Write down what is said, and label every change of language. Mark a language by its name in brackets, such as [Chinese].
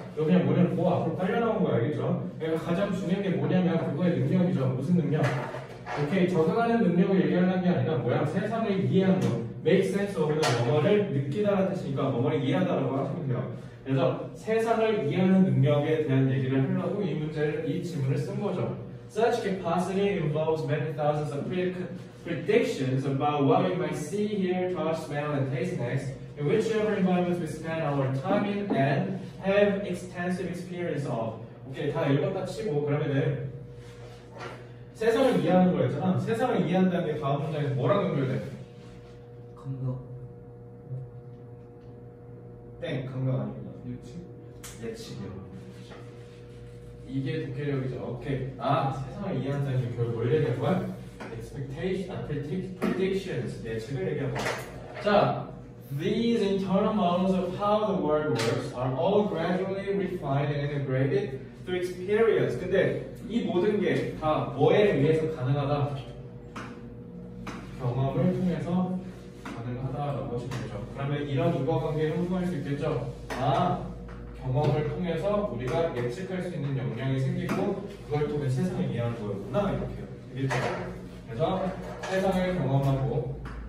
[Korean] 이거 그냥 뭐냐면 뭐 앞으로 딸려나온 거야. 알겠죠? 얘가 가장 중요한 게 뭐냐면 그거의 능력이죠. 무슨 능력? 오케이, 적응하는 능력을 얘기하는 게 아니라 뭐야? 세상을 이해하는 거. [English] Make sense of [Korean] 뭐뭐를 느끼다라는 뜻이니까 뭐뭐를 이해한다라고 하시면 돼요. 그래서 세상을 이해하는 능력에 대한 얘기를 하려고 이 문제를, 이 질문을 쓴 거죠. [English] Such capacity involves many thousands of predictions about what we might see, hear, touch, smell, and taste next. In whichever environment we spend our time in and have extensive experience of. [Korean] 오케이, 다 읽었다 치고 그러면은 세상을 이해하는 거였잖아. 세상을 이해한다는 게 다음 문장에서 뭐랑 연결돼? 감각. 땡, 감각 아닙니다. 예측? 예측이요. 이게 독해력이죠. 오케이. 아, 세상을 이해한다는 게 결국 뭘 얘기한 거야? [English] Expectation, predictions. [Korean] 예측을 얘기한 거야. [English] 자, These internal models of how the world works are all gradually refined and integrated through experience. [Korean] 근데 이 모든 게 다 뭐에 의해서 가능하다? 경험을 통해서 가능하다라고 하시면 되죠. 그러면 이런 인과관계에 흥분할 수 있겠죠? 아, 경험을 통해서 우리가 예측할 수 있는 역량이 생기고 그걸 통해 세상을 이해하는 거였구나, 이렇게요. 그래서 세상을 경험하고